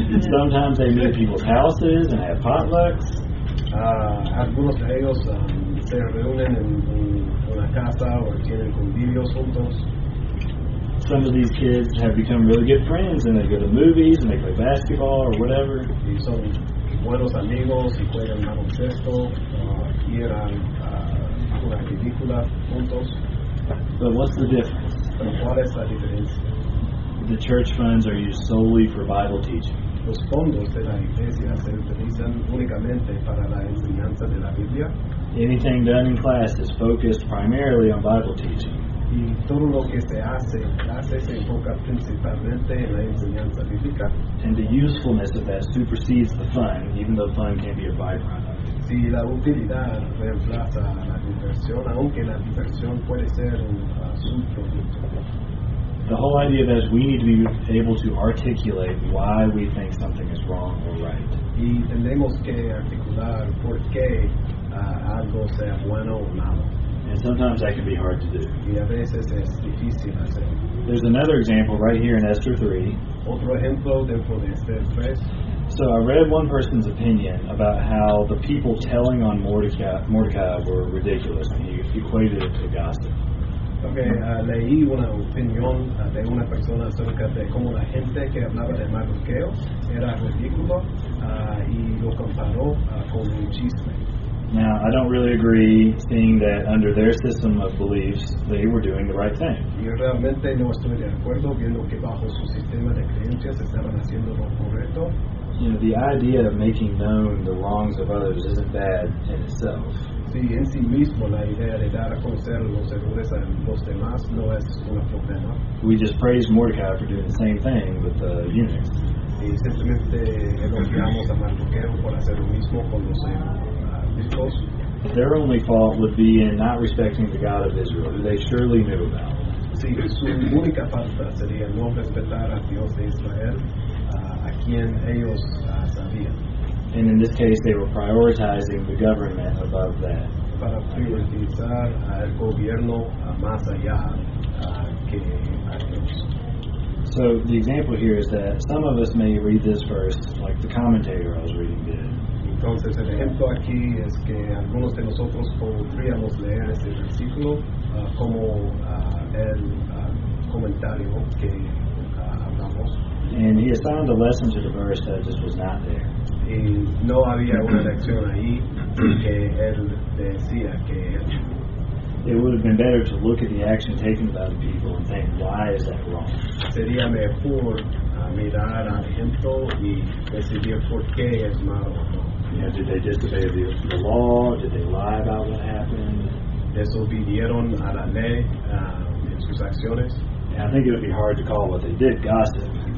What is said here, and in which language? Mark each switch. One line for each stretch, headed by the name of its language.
English: Sometimes they meet people's houses and have potlucks.
Spanish: Algunos de ellos se reúnen en una casa o tienen convivios juntos.
English: Some of these kids have become really good friends and they go to movies and they play basketball or whatever.
Spanish: Y son buenos amigos y juegan baloncesto y eran una película juntos.
English: But what's the difference?
Spanish: Pero ¿cuál es la diferencia?
English: The church funds are used solely for Bible teaching.
Spanish: Los fondos de la iglesia se utilizan únicamente para la enseñanza de la Biblia.
English: Anything done in class is focused primarily on Bible teaching.
Spanish: Y todo lo que se hace en clase se enfoca principalmente en la enseñanza bíblica.
English: And the usefulness of that supersedes the fun, even though fun can be a byproduct.
Spanish: Si la utilidad reemplaza a la diversión, aunque la diversión puede ser un subproducto.
English: The whole idea of that is we need to be able to articulate why we think something is wrong or right.
Spanish: Y tenemos que articular por qué algo sea bueno o malo.
English: And sometimes that can be hard to do.
Spanish: Y a veces es difícil hacer.
English: There's another example right here in Esther 3.
Spanish: Otro ejemplo dentro de Esther 3.
English: So I read one person's opinion about how the people telling on Mordecai were ridiculous, and he equated it to gossip.
Spanish: Okay, leí una opinión de una persona acerca de cómo la gente que hablaba de Mardoqueo era ridículo y lo comparó con un chisme.
English: Now, I don't really agree seeing that under their system of beliefs, they were doing the right thing.
Spanish: Yo realmente no estoy de acuerdo viendo que bajo su sistema de creencias estaban haciendo lo correcto.
English: You know, the idea of making known the wrongs of others isn't bad in itself.
Spanish: Sí, en sí mismo la idea de dar a conocer los errores a los demás no es un problema.
English: We just praise Mordecai for doing the same thing with the eunuchs.
Spanish: Y simplemente elogiamos a Mardoqueo por hacer lo mismo con los eunucos.
English: Their only fault would be in not respecting the God of Israel, who they surely knew about.
Spanish: si su única falta sería no respetar a Dios de Israel, a quien ellos sabían.
English: And in this case, they were prioritizing the government above that.
Spanish: Para priorizar al gobierno más allá que a Dios.
English: So the example here is that some of us may read this verse, like the commentator I was reading did.
Spanish: Entonces el ejemplo aquí es que algunos de nosotros podríamos leer este versículo como el comentario que hablamos.
English: And he assigned a lesson to the verse that just was not there.
Spanish: Y no había una lección ahí que él decía que él.
English: It would have been better to look at the action taken by the people and think, why is that wrong?
Spanish: Sería mejor mirar al ejemplo y decidir por qué es malo.
English: Yeah, did they disobey the law? Did they lie about what happened?
Spanish: Desobedieron a la ley en sus acciones.
English: Yeah, I think it would be hard to call what they did gossip.